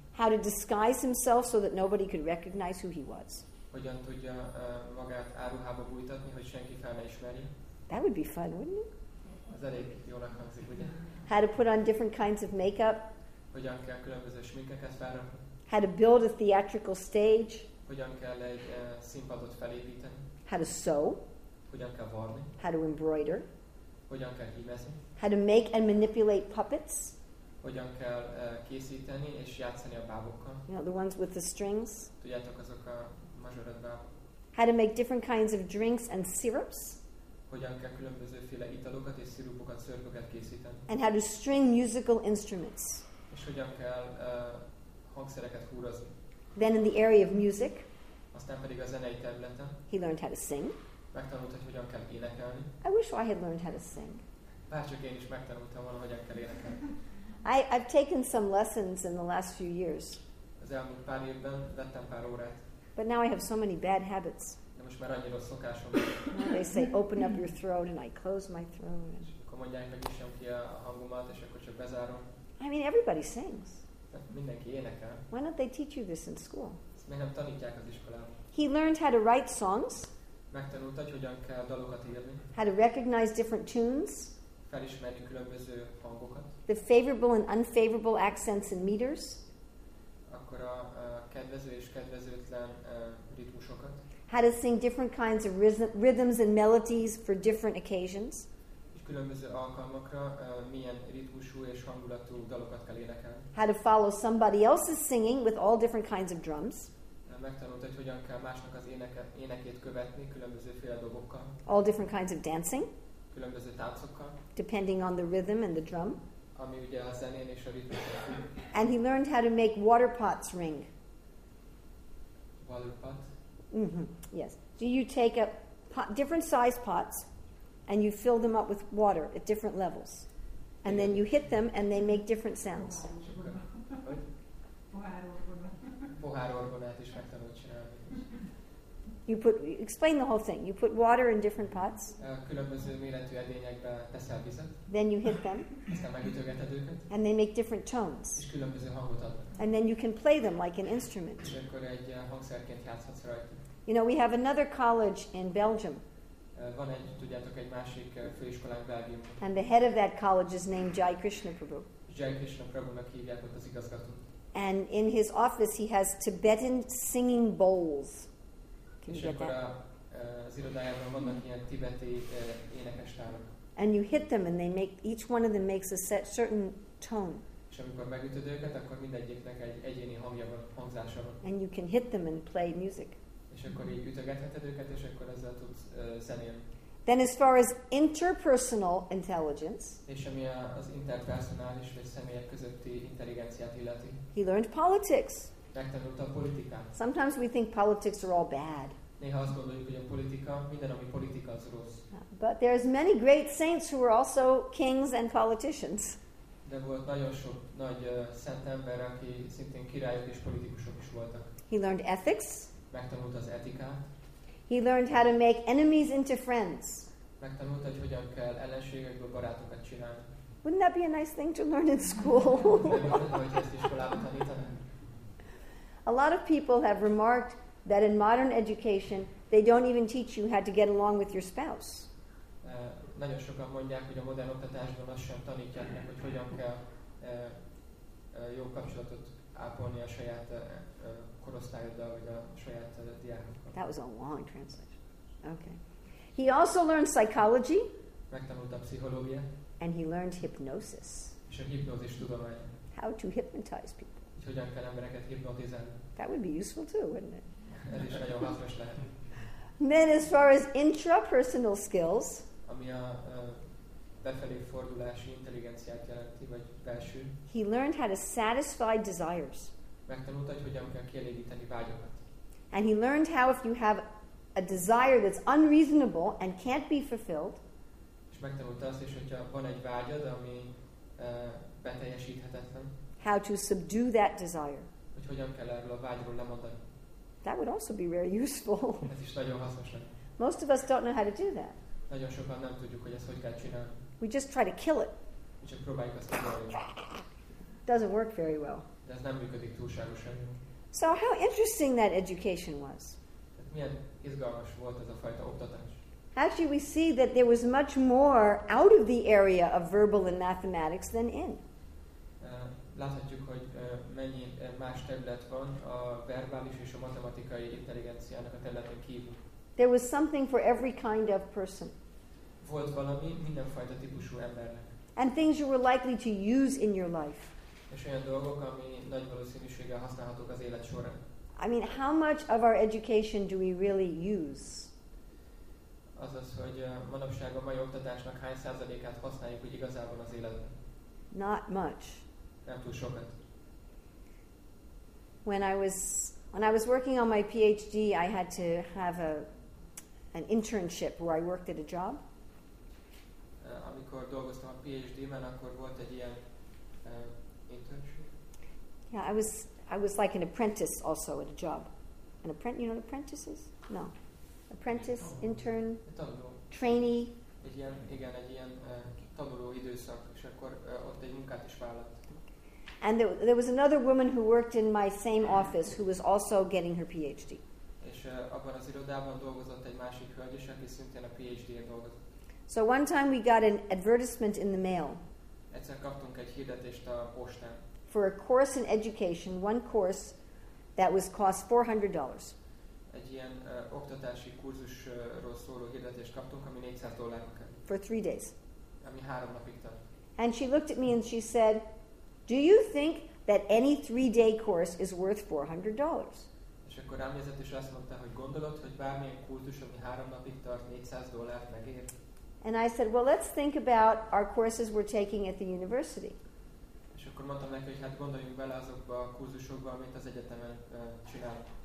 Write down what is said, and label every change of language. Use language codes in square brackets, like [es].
[en] How to disguise himself so that nobody could recognize who he was. [hu] Hogyan tudja magát áruhába bújtatni, hogy senki fel ne ismerje. [en] That would be fun, wouldn't it? [hu] Az elég jónak hangzik, ugye? [en] How to put on different kinds of makeup. [hu] Hogyan kell különböző sminkeket felrakni. [en] How to build a theatrical stage. [hu] Hogyan kell egy színpadot felépíteni. [en] How to sew. [hu] Hogyan kell varni. [en] How to embroider. [hu] Hogyan kell hímezni. [en] How to make and manipulate puppets. [hu] Hogyan kell készíteni és játszani a bábokkal. [en] You know, the ones with the strings. [hu] Tudjátok, azok a mazsorod bábok. [en] How to make different kinds of drinks and syrups. [hu] Hogyan kell különbözőféle italokat és szirupokat, szörpöket készíteni. [en] And how to string musical instruments. [hu] És hogyan kell hangszereket húrozni. [en] Then in the area of music. [hu] Aztán pedig a zenei területen. [en] He learned how to sing. [hu] Megtanult, hogy hogyan kell énekelni. [en] I wish I had learned how to sing. [hu] Bárcsak én is megtanultam volna, hogyan kell énekelni. [en] I've taken some lessons in the last few years. [hu] Az elmúlt pár évben vettem pár órát. [en] But now I have so many bad habits. [hu] De most már annyira szokásom. [en] They say open up your throat and I close my throat. [hu] És akkor mondják, megnyissam ki a hangomat, és akkor csak bezárom. [en] I mean, everybody sings. [hu] Mindenki énekel. [en] Why don't they teach you this in school? [hu] Ezt még nem tanítják az iskolában. [en] He learned how to write songs. [hu] Megtanult, hogy hogyan kell dalokat írni. [en] How to recognize different tunes. [hu] Felismerni különböző hangokat. [en] The favorable and unfavorable accents and meters. [hu] Akkor a kedvező és kedvezőtlen ritmusokat. [en] How to sing different kinds of rhythms and melodies for different occasions. [hu] És különböző alkalmakra milyen ritmusú és hangulatú dalokat kell énekelni. [en] How to follow somebody else's singing with all different kinds of drums. [hu] Megtanult, hogy hogyan kell másnak az énekét követni különbözőféle dobokkal. [en] All different kinds of dancing. [hu] Különböző táncokkal. [en] Depending on the rhythm and the drum. [hu] Ami ugye a zenén és a ritmusra függ. [en] And he learned how to make water pots ring. Water pot? Mm-hmm. Yes. Do you take a pot, different size pots and you fill them up with water at different levels. And then you hit them and they make different sounds. [hu] Pohár orgonát is megtanult csinálni. [en] Explain the whole thing. You put water in different pots. [hu] Különböző méretű edényekbe teszel vizet. [en] Then you hit them. [hu] Aztán megütögeted őket. [en] And they make different tones. [hu] És különböző hangot adnak. [en] And then you can play them like an instrument. [hu] És akkor egy hangszerként játszhatsz rajta. [en] You know, we have another college in Belgium. [hu] Van egy, tudjátok, egy másik főiskolánk Belgiumban. [en] And the head of that college is named Jai Krishna Prabhu. [hu] Jai Krishna Prabhu-nak hívják ott az igazgatót. [en] And in his office he has Tibetan singing bowls. [hu] És akkor az irodájában vannak ilyen tibeti énekes tálak. [en] And you hit them and they make, each one of them makes a set, certain tone. [hu] És amikor megütöd őket, akkor mindegyiknek egy egyéni hangja van, hangzása van. [en] And you can hit them and play music. [hu] És akkor így ütögetheted őket, és akkor ezzel tudsz zenélni. [en] Then as far as interpersonal intelligence, [hu] és ami az interpersonális vagy személyek közötti intelligenciát illeti, [en] he learned politics. [hu] Megtanult a politikát. [en] Sometimes we think politics are all bad. [hu] Néha azt gondoljuk, hogy a politika, minden, ami politika, az rossz. [en] But there's many great saints who were also kings and politicians. [hu] De volt nagyon sok nagy szent ember, aki szintén királyok és politikusok is voltak. [en] He learned ethics. [hu] Megtanult az etikát. [en] He learned how to make enemies into friends. [hu] Megtanult, hogy hogyan kell ellenségekből barátokat csinálni. [en] Wouldn't that be a nice thing to learn in school? [hu] Hogy ezt iskolában tanítanak. [en] A lot of people have remarked that in modern education they don't even teach you how to get along with your spouse. [hu] Nagyon sokan mondják, hogy a modern oktatásban azt sem tanítják, hogy hogyan kell jó kapcsolatot ápolni a saját korosztályoddal, vagy a saját diákokkal. [en] That was a long translation. Okay. He also learned psychology. [hu] Megtanult a pszichológia. [en] And he learned hypnosis. [hu] És a hipnózis tudomány. [en] How to hypnotize people. [hu] Hogy hogyan kell embereket hipnotizálni. [en] That would be useful too, wouldn't it? [hu] Ez is nagyon hasznos lehet. [en] Then as far as intrapersonal skills, [hu] ami a befelé fordulási intelligenciát jelenti, vagy belső. [en] He learned how to satisfy desires. [hu] Megtanult, hogy hogyan kell kielégíteni vágyakat. [en] And he learned how if you have a desire that's unreasonable and can't be fulfilled. [hu] És megtanult azt is, hogyha van egy vágyad, ami beteljesíthetetlen. [en] How to subdue that desire. [hu] Hogy hogyan kell erről a vágyról lemondani. [en] That would also be very useful. [hu] Ez is nagyon hasznos. [en] Most of us don't know how to do that. [hu] Nagyon sokan nem tudjuk, hogy ezt hogy kell csinálni. [en] We just try to kill it. [hu] Mi csak próbáljuk azt kiválni. [en] Doesn't work very well. [hu] De ez nem működik túlságosan. [en] So how interesting that education was. [hu] Tehát milyen izgalmas volt ez a fajta oktatás. [en] Actually, we see that there was much more out of the area of verbal and mathematics than in. [hu] Láthatjuk, hogy mennyi más terület van a verbális és a matematikai intelligenciának a területen kívül. [en] There was something for every kind of person. [hu] Volt valami mindenfajta típusú embernek. [en] And things you were likely to use in your life. [hu] És olyan dolgok, ami nagy valószínűséggel használhatók az élet során. [en] I mean, how much of our education do we really use? [hu] Azaz, hogy manapság a mai oktatásnak hány százalékát használjuk, hogy igazából az életben. [en] Not much. [hu] Nem túl sokat. [en] When I was working on my PhD, I had to have an internship where I worked at a job. [hu] Amikor dolgoztam a PhD-ben, akkor volt egy ilyen internship. [en] Yeah, I was like an apprentice also at a job. An apprentice, you know what apprentice is? No. Apprentice, intern, trainee. [hu] Egy ilyen tanuló időszak, és akkor ott egy munkát is vállalt. [en] And there was another woman who worked in my same office who was also getting her PhD. [hu] És abban az irodában dolgozott egy másik hölgy, és aki szintén a PhD-n dolgozott. [en] So one time we got an advertisement in the mail. [hu] Egyszer kaptunk egy hirdetést a postán. [en] For a course in education, one course that was cost $400. [hu] Egy ilyen oktatási kurzusról szóló hirdetést kaptunk, ami $400. [en] For 3 days. [hu] Ami 3 napig tart. [en] And she looked at me and she said, "Do you think that any 3-day course is worth $400?" [hu] És akkor rám nézett és azt mondta, hogy gondolod, hogy bármilyen kurzus, ami 3 napig tart, $400 megér? [en] And I said, "Well, let's think about our courses we're taking at the university." [hu] És akkor mondtam neki, hogy hát gondoljunk bele azokba a kurzusokba, amit az egyetemen csinálunk.